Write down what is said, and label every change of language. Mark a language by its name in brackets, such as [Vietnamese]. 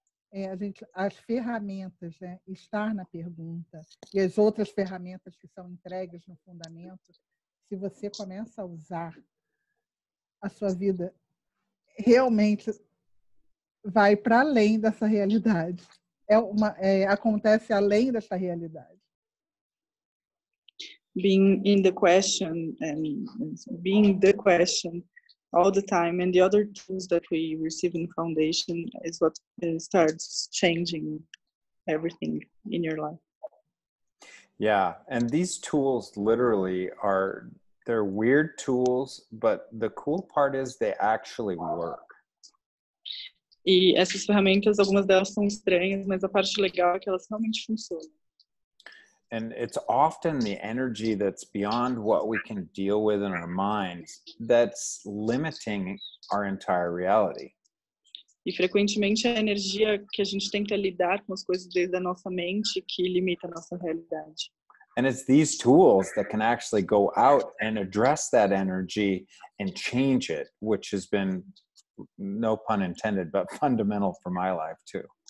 [Portuguese] É, a gente, as ferramentas, né, estar na pergunta e as outras ferramentas que são entregues no fundamento, se você começa a usar, a sua vida realmente vai para além dessa realidade. Acontece além dessa realidade. [English] Being in the question and being the question all the time, and the other tools that we receive in foundation is what starts changing everything in your life. Yeah, and these tools literally they're weird tools, but the cool part is they actually work. [Portuguese] E essas ferramentas, algumas delas são estranhas, mas a parte legal é que elas realmente funcionam. [English] And it's often the energy that's beyond what we can deal with in our minds that's limiting our entire reality. [Portuguese] E frequentemente é a energia que a gente tenta lidar com as coisas desde a nossa mente que limita a nossa realidade. [English] And it's these tools that can actually go out and address that energy and change it, which has been, no pun intended, but fundamental for my life too.